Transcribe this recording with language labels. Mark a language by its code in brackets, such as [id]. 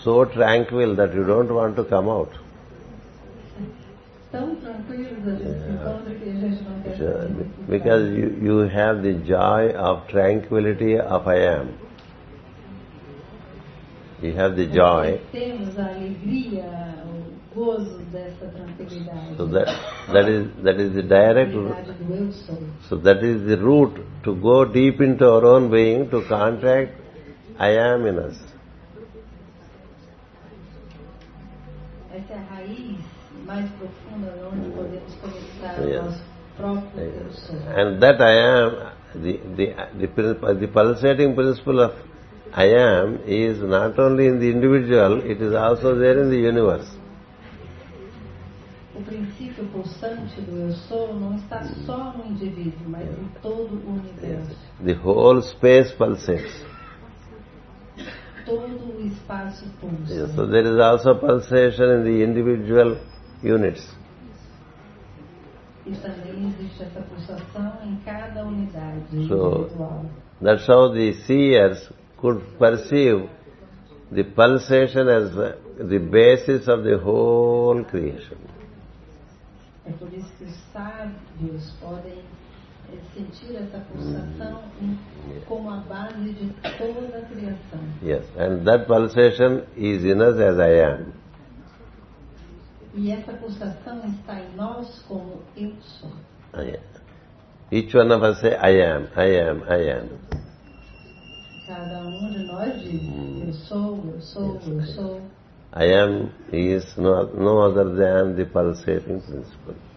[en] So tranquil that you don't want to come out. [pt] Tão tranquilo, [en] yeah, [pt] que a gente não quer. [en] Sure. Because you have the joy of tranquility of I am. You have the joy. [pt] Temos a alegria, o gozo dessa tranquilidade. [en] So that is the direct root. So that is the root to go deep into our own being to contact I am in us. [pt] Essa é a raiz mais profunda onde podemos conectar, [en] yes, [pt] nosso próprio, [en] yes, [pt] eu sou. [en] And that I am, the pulsating principle of I am is not only in the individual, it is also there in the universe. [pt] O princípio pulsante do eu sou não está só no indivíduo, mas, [en] yes, [pt] em todo o universo. [en] Yes. The whole space pulsates. [pt] Todo o espaço pulsa. [en] Yes. So there is also pulsation in the individual units. [pt] E também existe essa pulsação em cada unidade, [en] so, [pt] individual. [en] That's how the seers could perceive the pulsation as the basis of the whole creation. [pt] É por isso que os sábios podem sentir essa pulsação como a base de toda a criação. [en] Yes, and that pulsation is in us as I am. [pt] E essa pulsação está em nós como eu sou. [en] I am. Each one of us say, I am, I am, I am. [pt] Cada um de nós diz, eu sou, eu sou, [en] yes, [pt] eu sou. [en] I am is no other than the pulsating principle.